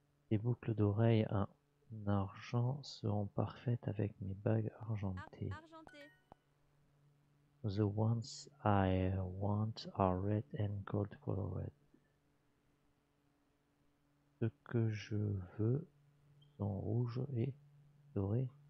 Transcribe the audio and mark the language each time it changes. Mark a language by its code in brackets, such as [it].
[fr] Les boucles d'oreilles en argent seront parfaites avec mes bagues argentées. [en] The ones I want are red and gold colored. [fr] Ce que je veux sont rouges et dorés.